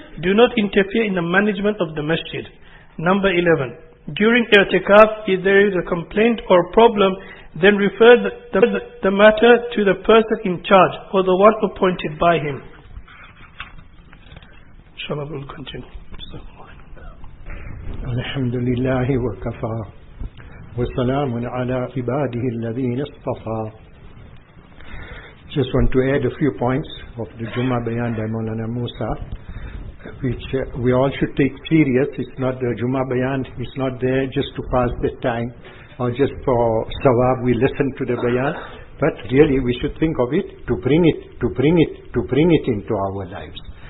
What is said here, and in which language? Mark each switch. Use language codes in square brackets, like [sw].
[en] Do not interfere in the management of the masjid. Number 11. During i'tikaf, if there is a complaint or a problem, then refer the matter to the person in charge or the one appointed by him. Inshallah, we'll continue. [ar] الحمد لله وكفى وسلام على عباده الذين اصطفى. [en] Just want to add a few points of the Jummah Bayan by Maulana Musa, which we all should take serious. It's not the Jummah Bayan, it's not there just to pass the time or just for sawab we listen to the Bayan, but really we should think of it to bring it into our lives.